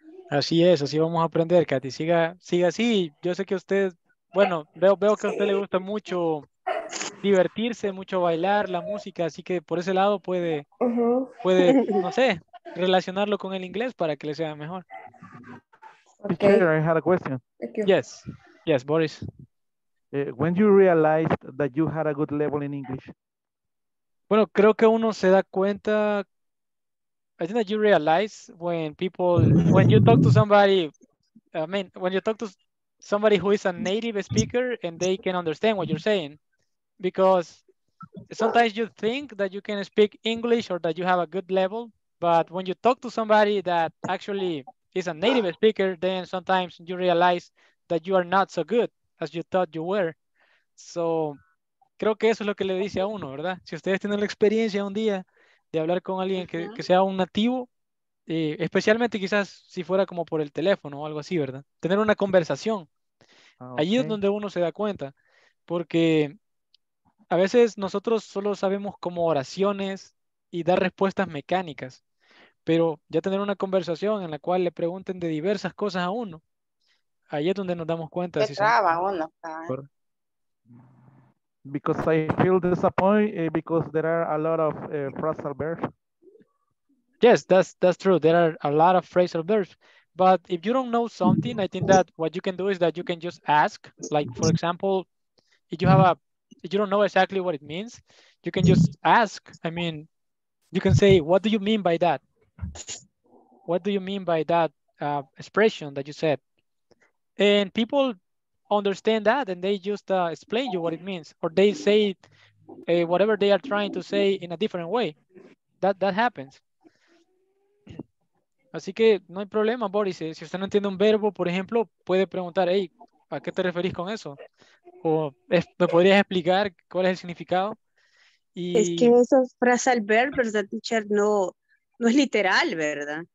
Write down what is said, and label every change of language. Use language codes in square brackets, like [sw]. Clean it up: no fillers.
[es] Así es, así vamos a aprender, Katy. Siga así. Yo sé que usted... Bueno, veo que a usted le gusta mucho divertirse, mucho bailar, la música. Así que por ese lado puede, puede, no sé, relacionarlo con el inglés para que le sea mejor. [en] Okay. Peter, I had a question. Yes, yes, Boris. When you realized that you had a good level in English? [es] Bueno, creo que uno se da cuenta [en] I think that you realize when people, when you talk to somebody, I mean, when you talk to somebody who is a native speaker and they can understand what you're saying, because sometimes you think that you can speak English or that you have a good level, but when you talk to somebody that actually is a native speaker, then sometimes you realize that you are not so good as you thought you were. [es] So, creo que eso es lo que le dice a uno, ¿verdad? Si ustedes tienen la experiencia un día de hablar con alguien que sea un nativo, especialmente quizás si fuera como por el teléfono o algo así, ¿verdad? Tener una conversación. Okay. Allí es donde uno se da cuenta, porque a veces nosotros solo sabemos como oraciones y dar respuestas mecánicas, pero ya tener una conversación en la cual le pregunten de diversas cosas a uno, ahí es donde nos damos cuenta. Se traba uno. [en] Because I feel disappointed because there are a lot of phrasal verbs. Yes, that's true. There are a lot of phrasal verbs. But if you don't know something, I think that what you can do is that you can just ask. Like, for example, if you have a, if you don't know exactly what it means, you can just ask. I mean, you can say, what do you mean by that? What do you mean by that expression that you said? And people understand that and they just explain you what it means, or they say whatever they are trying to say in a different way. That happens. [es] Así que no hay problema, Boris. Si usted no entiende un verbo, por ejemplo, puede preguntar, hey, ¿a qué te referís con eso? O ¿me podrías explicar cuál es el significado? Y es que eso es phrasal verb, ¿verdad, teacher? No es literal, ¿verdad?